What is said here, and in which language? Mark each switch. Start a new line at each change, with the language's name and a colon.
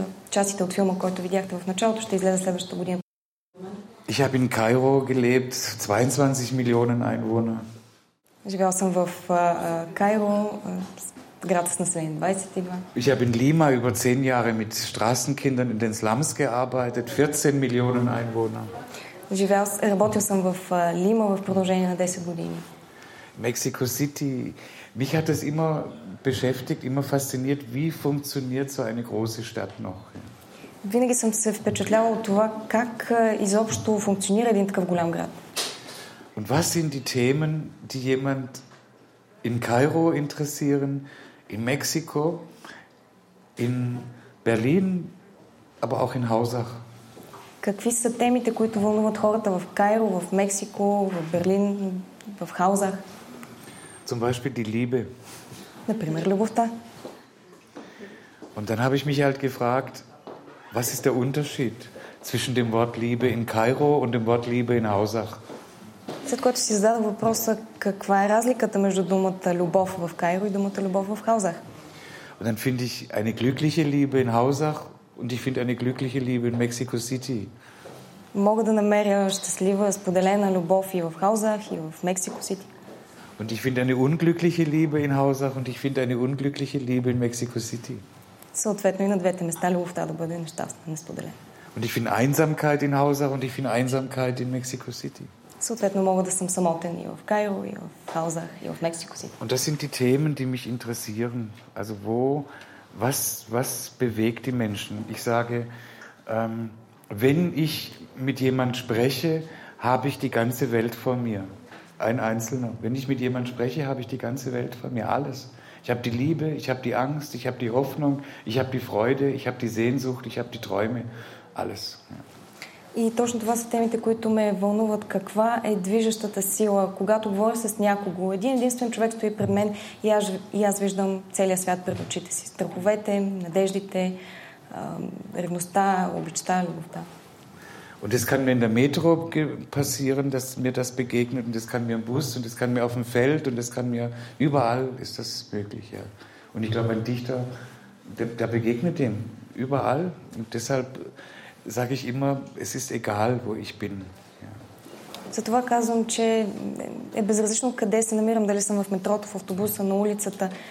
Bulgarian: Частите от филма, който видяхте в началото, ще излезе следващата година.
German: Ich habe in Kairo gelebt, 22 Millionen Einwohner.
Bulgarian: Живял съм в Кайро,
German: Grad ist das Wien, weiß ich immer. Ich habe in Lima über 10 Jahre mit Straßenkindern in den Slums gearbeitet, 14 Millionen Einwohner.
Bulgarian: Работил съм в Лима в продължение на 10 години.
German: Mexico City. Mich hat es immer beschäftigt, immer fasziniert, wie funktioniert so eine große Stadt noch.
Bulgarian: Винаги съм се впечатлявал от това как изобщо функционира един такъв голям град.
German: Und was sind die Themen, die jemand in Kairo interessieren, in Mexiko, in Berlin, aber auch in Hausach.
Bulgarian: Какви са темите, които вълнуват хората в Кайро, в Мексико, в Берлин, в Хаузах?
German: Zum Beispiel die Liebe.
Bulgarian: Например, любовта.
German: Und dann habe ich mich halt gefragt, was ist der Unterschied zwischen dem Wort Liebe in Kairo und dem Wort Liebe in Hausach?
Bulgarian: След което си зададох въпроса каква е разликата между думата любов в Кайро и думата любов в Хаузах.
German: Und dann finde ich eine glückliche Liebe in Hausach und ich finde eine glückliche Liebe in Mexico City.
Bulgarian: Мога да намеря щастлива споделена любов и в Хаузах и в Мексико Сити.
German: Und ich finde eine unglückliche Liebe in Hausach und ich finde eine unglückliche Liebe in Mexico City.
Bulgarian: съответно и на двете места любовта да бъде нещастна, несподелена.
German: Und ich finde Einsamkeit in Hauser und ich finde Einsamkeit in Mexico City.
Bulgarian: Съответно мога да съм самотен и в Кайро, и в Хаузах, и в Мексико Сити.
German: Und das sind die Themen, die mich interessieren. Also wo, was bewegt die Menschen? Ich sage, wenn ich mit jemand spreche, habe ich die ganze Welt vor mir. Ein Einzelner. Wenn ich mit jemand spreche, habe ich die ganze Welt vor mir. Alles. Ich habe die Liebe, ich habe die Angst, ich habe die Hoffnung, ich habe die Freude, ich habe die Sehnsucht, ich habe die Träume. Alles.
Bulgarian: И точно това са темите, които ме вълнуват. Каква е движещата сила? Когато говоря с някого, един единствен човек стои пред мен и аз виждам целия свят пред очите си. Страховете, надеждите, ревността, обичта, любовта.
German: Und das kann mir in der Metro passieren, dass mir das begegnet, und das kann mir im Bus, und das kann mir auf dem Feld, und das kann mir überall ist das möglich, ja. Und ich glaube, ein Dichter, der begegnet dem überall, und deshalb sage ich immer, es ist egal, wo ich bin.
Bulgarian: Затова казвам, че е безразлично къде се намирам, дали съм в метрото, в автобуса, на улицата.